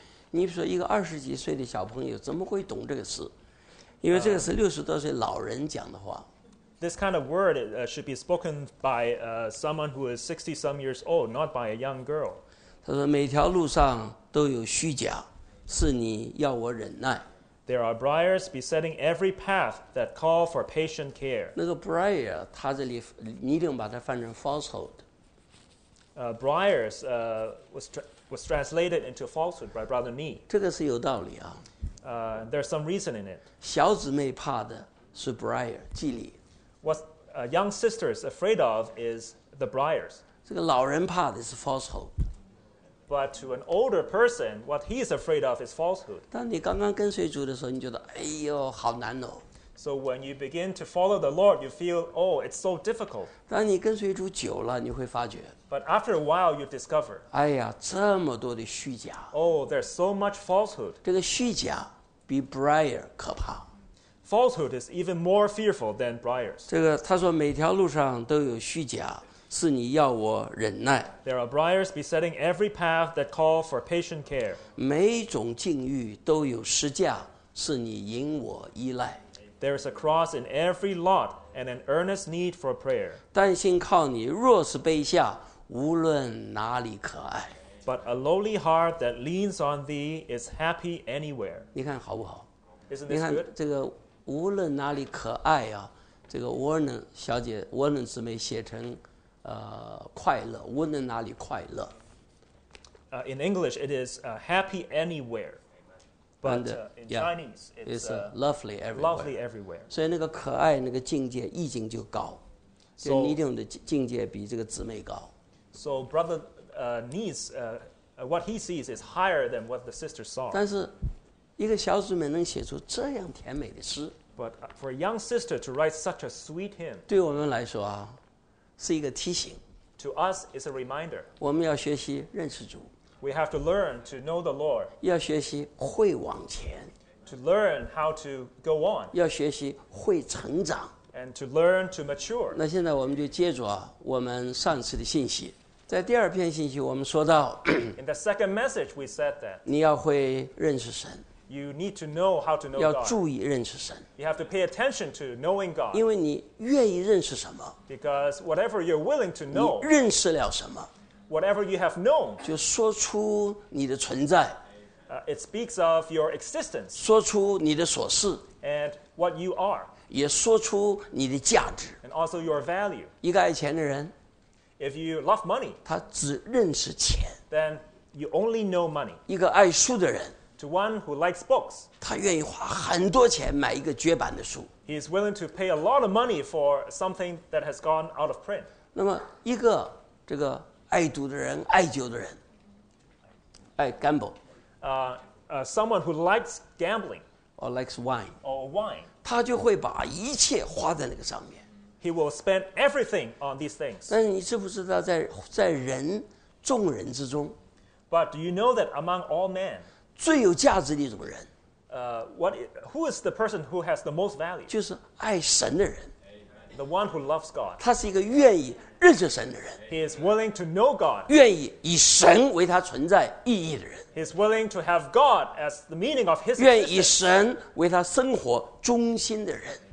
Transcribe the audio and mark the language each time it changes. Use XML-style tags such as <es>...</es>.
<zh>你说一个二十几岁的小朋友怎么会懂这个诗？因为这个是六十多岁老人讲的话。</zh> <en>This kind of word should be spoken by someone who is 60 some years old, not by a young girl.</en> <zh>他说每条路上都有虚假。是你要我忍耐。</zh> <en>There are briars besetting every path that call for patient care.</en> <zh>那个 briar， 它这里你一定把它翻成 falsehood。</zh> <en>Briars was translated into falsehood by Brother Nee.</en> <zh>这个是有道理啊。</zh> <en>There's some reason in it.</en> <zh>小姊妹怕的是 briar， 纪律。</zh> <en>What young sisters afraid of is the briars.</en> <zh>这个老人怕的是 falsehood。</zh> <en>But to an older person, what he is afraid of is falsehood.</en> <zh>当你刚刚跟随主的时候，你觉得哎呦好难哦。</zh> <en>So when you begin to follow the Lord, you feel, oh, it's so difficult.</en> <zh>当你跟随主久了，你会发觉。</zh> <en>But after a while, you discover.</en> <zh>哎呀，这么多的虚假。</zh> <en>Oh, there's so much falsehood.</en> <zh>这个虚假比 briar 可怕。</zh> <en>Falsehood is even more fearful than briars.</en> <zh>这个他说每条路上都有虚假。是你要我忍耐。</zh> <en>There are briars besetting every path that call for patient care.</en> <zh>每种境遇都有十架，是你引我依赖。</zh> <en>There is a cross in every lot and an earnest need for prayer.</en> <zh>但心靠你，若是卑下，无论哪里可爱。</zh> <en>But a lowly heart that leans on thee is happy anywhere.</en> <zh>你看好不好？</zh> <en>Isn't this good?</en> <zh>你看这个无论哪里可爱啊，这个 Warren 小姐 ，Warren 姊妹写成。快乐，无论哪里快乐。</zh> <en>In English, it is happy anywhere, but and, in Chinese, it's lovely everywhere. Lovely everywhere.</en> <zh>所以那个可爱那个境界意境就高，所以你这种的境界比这个姊妹高。</zh> <en>So brother, niece, what he sees is higher than what the sister saw.</en> <zh>但是，一个小姊妹能写出这样甜美的诗。</zh> <en>But for a young sister to write such a sweet hymn.</en> <zh>对我们来说啊。是一个提醒。</zh> <en>To us, it's a reminder.</en> <zh>我们要学习认识主。</zh> <en>We have to learn to know the Lord.</en> <zh>要学习会往前。</zh> <en>To learn how to go on.</en> <zh>要学习会成长。</zh> <en>And to learn to mature.</en> <zh>那现在我们就接着我们上次的信息。在第二篇信息我们说到。</zh> <en>In the second message, we said that.</en> <zh>你要会认识神。</zh> <en>You need to know how to know God.</en> <zh>要注意认识神。</zh> <en>You have to pay attention to knowing God.</en> <zh>因为你愿意认识什么。</zh> <en>Because whatever you're willing to know.</en> <zh>你认识了什么。</zh> <en>Whatever you have known.</en> <zh>就说出你的存在。</zh> <en>It speaks of your existence.</en> <zh>说出你的所是。</zh> <en>And what you are.</en> <zh>也说出你的价值。</zh> <en>And also your value.</en> <zh>一个爱钱的人。</zh> <en>If you love money.</en> <zh>他只认识钱。</zh> <en>Then you only know money.</en> <zh>一个爱书的人。</zh> <en>To one who likes books,</en> <zh>他愿意花很多钱买一个绝版的书。</zh> <en>He is willing to pay a lot of money for something that has gone out of print.</en> <zh>那么一个这个爱赌的人、爱酒的人，爱 gamble.</zh> <en>Someone who likes gambling, or likes wine, or wine,</en> <zh>他就会把一切花在那个上面。</zh> <en>He will spend everything on these things.</en> <zh>但你知不知道在人众人之中</zh> <en>，But do you know that among all men?</en> <zh>最有价值的一种人</zh> <en>who is the person who has the most value?</en> <zh>就是爱神的人</zh> <en>The one who loves God.</en> <zh>他是一个愿意认识神的人</zh> <en>He is willing to know God.</en> <zh>愿意以神为他存在意义的人</zh> <en>He is willing to have God as the meaning of his existence.</en> <zh>愿意以神为他生活中心的人</zh>